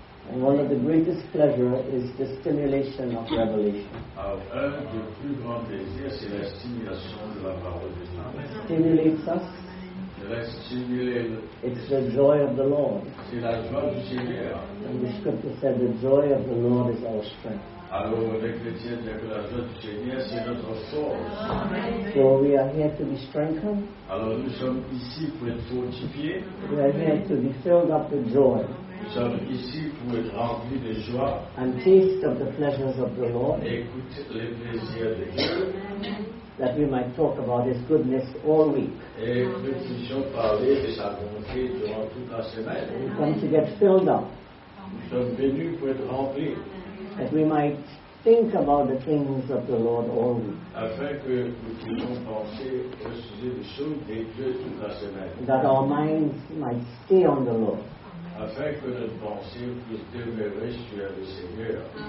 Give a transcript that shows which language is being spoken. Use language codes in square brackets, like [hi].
[en] And one of the greatest pleasures is the stimulation of revelation. [fr] Alors, un des plus grands plaisirs, c'est la stimulation de la parole de Dieu. [en] It stimulates us. It's the joy of the Lord. [fr] C'est la joie du Seigneur. [en] And the scripture said, the joy of the Lord is our strength. [fr] Alors, les chrétiens disent que la joie du Seigneur, c'est notre force. [en] So we are here to be strengthened. [fr] Alors, nous sommes ici pour être fortifiés. [en] We are here to be filled up with joy. [fr] Nous sommes ici pour être remplis de joie. [en] And taste of the pleasures of the Lord. [fr] Et écoute les plaisirs de Dieu. [en] That we might talk about his goodness all week. [fr] Et que nous puissions parler de sa bonté durant toute la semaine. [en] We come to get filled up. [fr] Nous sommes venus pour être remplis. [en] That we might think about the things of the Lord all week. [fr] Afin que nous puissions penser au sujet des choses de Dieu toute la semaine. [en] That our minds might stay on the Lord. [fr] Afin que notre pensée puisse demeurer sur le Seigneur.